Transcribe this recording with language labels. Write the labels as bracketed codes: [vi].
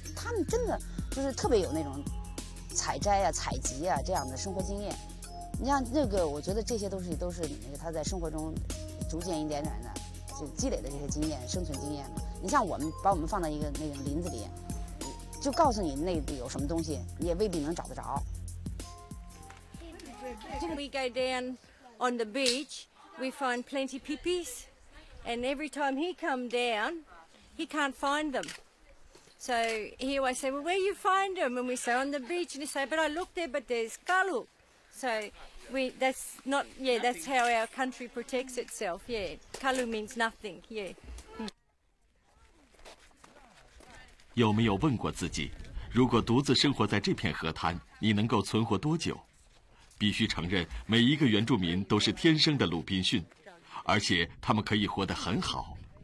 [zh] 他们真的就是特别有那种采摘啊、采集啊这样的生活经验。你像那个，我觉得这些东西都是那个他在生活中逐渐一点点的就积累的这些经验、生存经验嘛。你像我们把我们放到一个那种林子里。就告诉你那里有什么东西，你也未必能找得着。 [en] When we go down on the beach, we find plenty pipis, and every time he come down, he can't find them. So he always say, "Well, where you find them?" And we say, "On the beach." And he say, "But I looked there, but there's kalu." So we that's not yeah that's how our country protects itself. Yeah, kalu means nothing. Yeah. [zh] 有没有问过自己，如果独自生活在这片河滩，你能够存活多久？必须承认，每一个原住民都是天生的鲁滨逊，而且他们可以活得很好。